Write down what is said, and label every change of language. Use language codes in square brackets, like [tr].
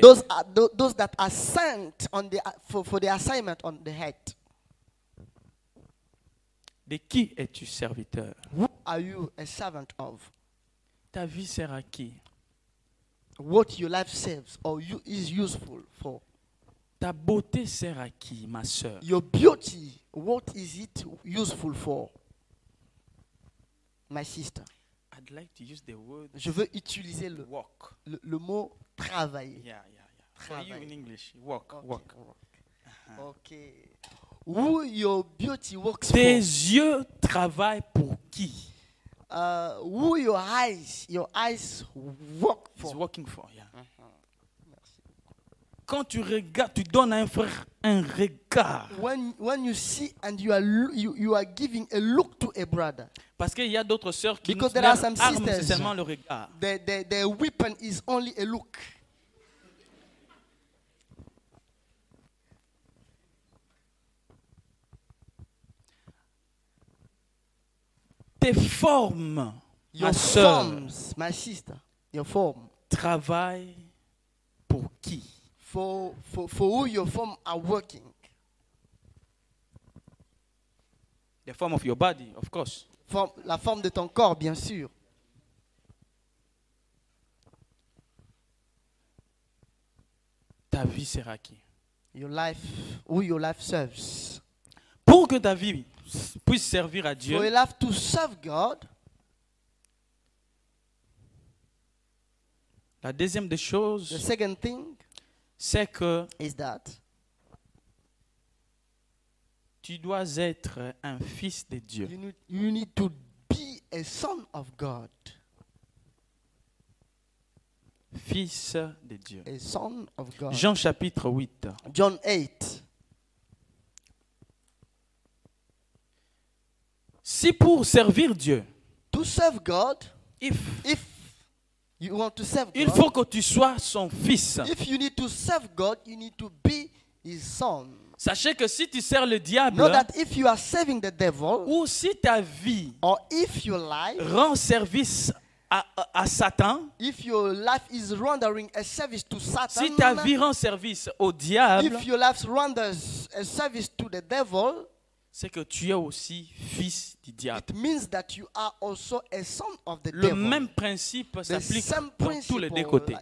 [en] Those that are sent on the for the assignment on the head. [fr] De qui es-tu serviteur? [en] Who are you a servant of? [fr] Ta vie sert à qui? [en] What your life serves or you is useful for? [fr] Ta beauté sert à qui, ma sœur? [en] Your beauty, what is it useful for? My sister. I'd like to use the word [fr] je veux utiliser le [en] work. [fr] Le mot travailler. [en] Yeah, yeah, yeah. Travail. For you in English, work, okay, work. Okay. Who your beauty works [fr] tes [en] for? [fr] Tes yeux travaillent pour qui? [en] Who your eyes work for? It's working for, yeah. Uh-huh. Merci. [fr] Quand tu regardes, tu donnes à un frère un regard. [en] When you see and you are giving a look to a brother. [fr] Parce qu'il y a d'autres sœurs qui [en] because there are some [fr] arme, [en] sisters, [fr] c'est seulement le regard. [en] Their weapon is only a look. [fr] Tes formes, [en] your [fr] ma sœur, [en] forms, my sister, your form, [fr] travaille pour qui? [en] For who your form are working? The form of your body, of course. [fr] La forme de ton corps, bien sûr. Ta vie sera qui? [en] Your life, who your life serves. [fr] Pour que ta vie puisse servir à Dieu. [en] For your life to serve God. [fr] La deuxième des choses. [en] The second thing. [fr] c'est que [en] is that [fr] tu dois être un fils de Dieu. [en] You need to be a son of God. [fr] Fils de Dieu. [en] A son of God. [fr] Jean chapitre 8. [en] John 8. [fr] Si pour servir Dieu, [en] to serve God, if you want to serve God, [fr] il faut que tu sois son fils. [en] If you need to serve God, you need to be his son. [fr] Sachez que si tu sers le diable, [en] know that if you are serving the devil, [fr] ou si ta vie, [en] or if your life, [fr] rend service à Satan, [en] if your life is rendering a service to Satan, [fr] si ta vie rend service au diable, [en] if your life renders a service to the devil, [fr] c'est que tu es aussi fils du diable. [en] It means that you are also a son of the [fr] le [en] devil. [fr] Même principe s'applique pour tous les deux côtés.